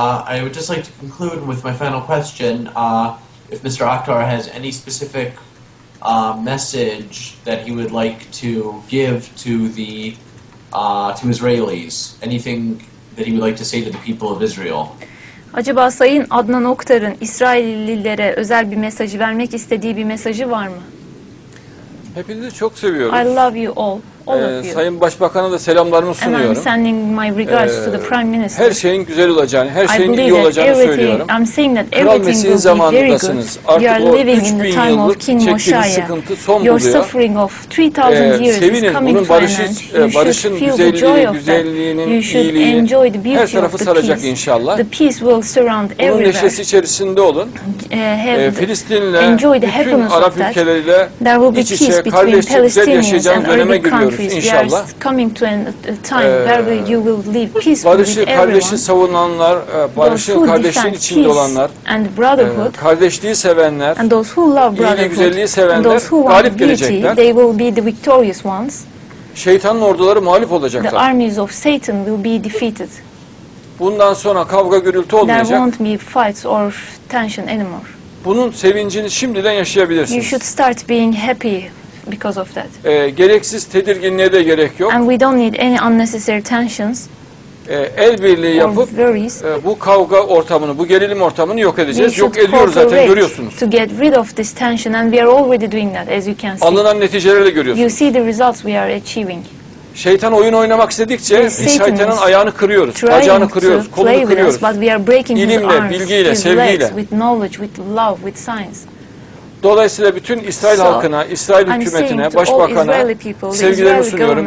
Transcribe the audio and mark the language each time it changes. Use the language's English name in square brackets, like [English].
[English] I would just like to conclude with my final question. If Mr. Akhtar has any specific message that he would like to give to the to Israelis, anything that he would like to say to the people of Israel. [Turkish] Acaba Sayın Adnan Oktar'ın İsraillilere özel bir mesajı vermek istediği bir mesajı var mı? Hepinizi çok seviyorum. [English] I love you all. All of you. [Turkish] Sayın Başbakan'a da selamlarımı sunuyorum. [English] And I'm sending my regards to the Prime Minister. [Turkish] Her şeyin güzel olacağını, her şeyin iyi olacağını söylüyorum. [English] I'm saying that everything will be very good. [Turkish] Kral Mesih'in zamanındasınız. Artık o 3000 yıllık çektiğiniz sıkıntı son buluyor. [English] Your suffering of 3000 years [Turkish] sevinin, [English] is coming [Turkish] barışı, [English] to an end. [Turkish] Barışın güzelliğini, güzelliğinin iyiliğini her tarafı saracak inşallah. [English] The peace will surround everywhere. [Turkish] Onun neşesi içerisinde olun. Filistin'le, bütün Arap ülkeleriyle iç içe, kardeşçe, güzel yaşayacağın döneme giriyor. İnşallah. [English] We are coming to a time where you will live peacefully with everyone. [Turkish] Barışı, kardeşi savunanlar, barışın kardeşliğin içinde olanlar, kardeşliği sevenler, [English] and those who love brotherhood, [Turkish] iyiliği, güzelliği sevenler, [English] and those who [Turkish] galip gelecekler. [English] They will be the victorious ones. [Turkish] Şeytanın orduları mağlup olacaklar. [English] The armies of Satan will be defeated. [Turkish] Bundan sonra kavga gürültü olmayacak. [English] There won't be fights or tension anymore. [Turkish] Bunun sevincini şimdiden yaşayabilirsiniz. [English] You should start being happy. Because of that. [Turkish] Gereksiz tedirginliğe de gerek yok. [English] And we don't need any unnecessary tensions. [Turkish] El birliği yapıp bu kavga ortamını, bu gerilim ortamını yok edeceğiz. Yok ediyor zaten, görüyorsunuz. [English] To get rid of this tension and we are already doing that as you can see. [Turkish] Alınan neticeleri de görüyorsunuz. [English] You see the results we are achieving. [Turkish] Şeytan oyun oynamak istedikçe şeytanın ayağını kırıyoruz, bacağını kırıyoruz, kolunu kırıyoruz. [English] But we are breaking his arms. [Turkish] İlimle, bilgiyle, sevgiyle. [English] With knowledge, with love, with science. [Turkish] Dolayısıyla bütün İsrail halkına, İsrail hükümetine, başbakana sevgilerimi sunuyorum.